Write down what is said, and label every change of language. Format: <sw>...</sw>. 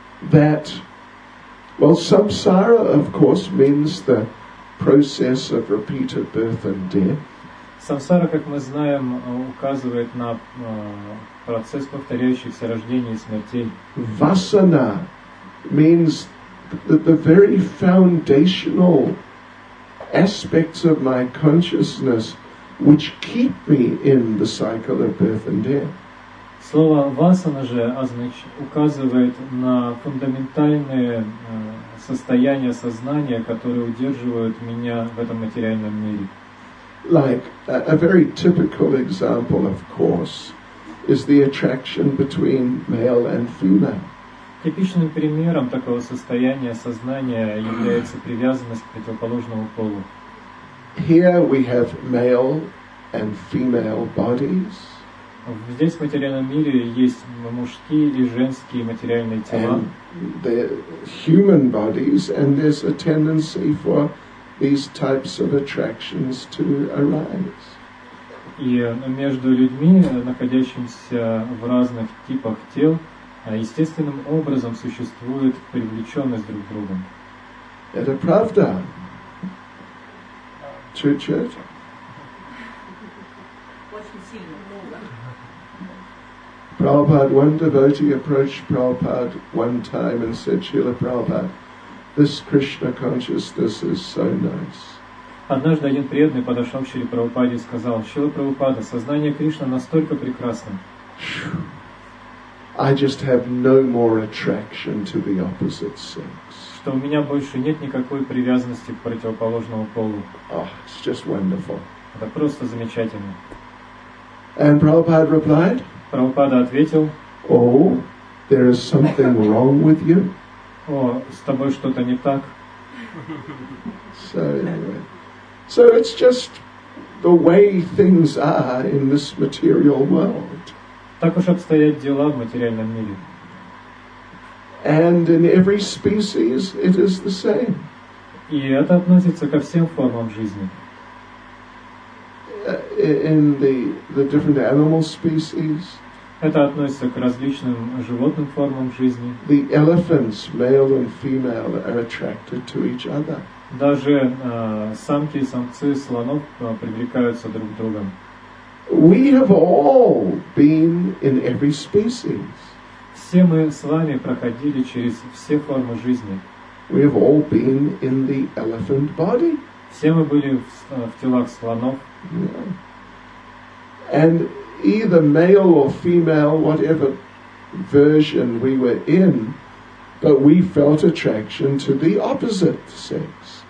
<en>That, well, samsara, of course, means the process of repeated birth and death.</en> <ru>Samsara, как мы знаем, указывает на процесс повторяющихся рождений и смертей.</ru> <en>Vasana means the very foundational aspects of my consciousness which keep me in the cycle of birth and death.</en> <ru>Слово «васана» же указывает на фундаментальные состояния сознания, которые удерживают меня в этом материальном мире.</ru> <en>Like a very typical example, of course, is the attraction between male and female.</en> <ru>Типичным примером такого состояния сознания является привязанность к противоположному полу.</ru> <en>Here we have male and female bodies.</en> <ru>Здесь в материальном мире есть мужские и женские материальные тела.</ru> <en>And the human bodies, and there's a tendency for these types of attractions to arise.</en> <ru>И между людьми, находящимися в разных типах тел, естественным образом существует привлеченность друг к другу. Это правда. Чуть-чуть. Очень сильно.</ru> <en>Prabhupada, one devotee approached Prabhupada one time and said, Srila Prabhupada, this Krishna consciousness is so nice.</en> <ru>Однажды один преданный подошел к Шри Прабхупаде и сказал, Шрила Прабхупада, сознание Кришны настолько прекрасно.</ru> <en>I just have no more attraction to the opposite sex.</en> <ru>Что у меня больше нет никакой привязанности к противоположному полу.</ru> <en>Oh, it's just wonderful.</en> <ru>Это просто замечательно.</ru> <en>And Prabhupada replied,</en> <ru>Прабхупада ответил,</ru> <en>oh, there is something wrong with you.</en> <ru>О, с тобой что-то не так.</ru> <en>So, anyway. So it's just the way things are in this material world.</en> <ru>Так уж обстоят дела в материальном мире.</ru> <en>And in every species it is the same.</en> <ru>И это относится ко всем формам жизни.</ru> <en>In the different animal species.</en> <ru>Это относится к различным животным формам жизни.</ru> <en>The elephants, male and female, are attracted to each other.</en> <ru>Даже самки и самцы слонов привлекаются друг к другу.</ru> <en>We have all been in every species.</en> <ru>Все мы с вами проходили через все формы жизни.</ru> <en>We have all been in the elephant body.</en> <ru>Все мы были в телах слонов.</ru> <en>Yeah. And either male or female, whatever version we were in, but we felt attraction to the opposite sex.</en>